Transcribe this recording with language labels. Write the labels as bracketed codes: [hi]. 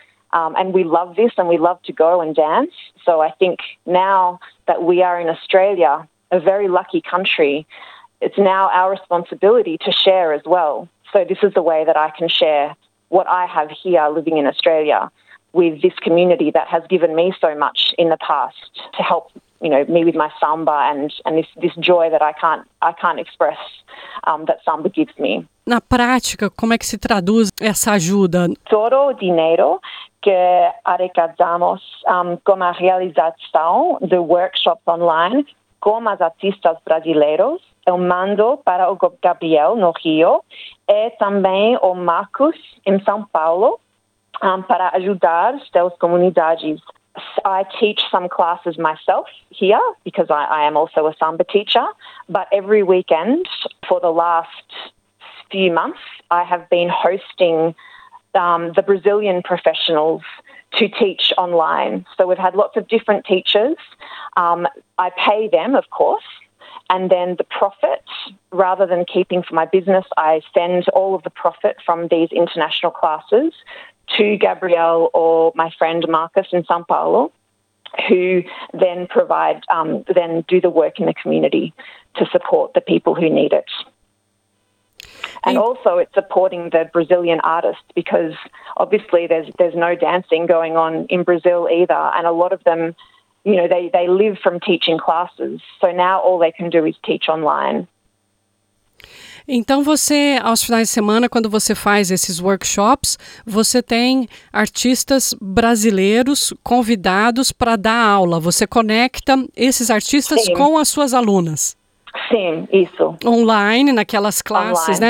[en] And we love this and we love to go and dance. So I think now that we are in Australia, a very lucky country, it's now our responsibility to share as well. So this is the way that I can share what I have here living in Australia with this community that has given me so much in the past to help, you know, me with my samba and this joy that I can't express that samba gives me. [pt] Na prática, como é que se traduz essa ajuda? Todo o dinheiro que arrecadamos com a realização de workshops online com as artistas brasileiros, eu mando para o Gabriel no Rio e também o Marcos em São Paulo para ajudar suas comunidades. [en] I teach some classes myself here because I am also a samba teacher, but every weekend for the last few months, I have been hosting the Brazilian professionals to teach online. So we've had lots of different teachers. I pay them, of course, and then the profit, rather than keeping for my business, I send all of the profit from these international classes to Gabriel or my friend Marcus in São Paulo, who then provide, then do the work in the community to support the people who need it. And also it's supporting the Brazilian artists, because obviously there's no dancing going on in Brazil either. And a lot of them, you know, they live from teaching classes. So now all they can do is teach online. [pt] Então você, aos finais de semana, quando você faz esses workshops, você tem artistas brasileiros convidados para dar aula. Você conecta esses artistas Sim. com as suas alunas. Sim, isso. Online, naquelas classes,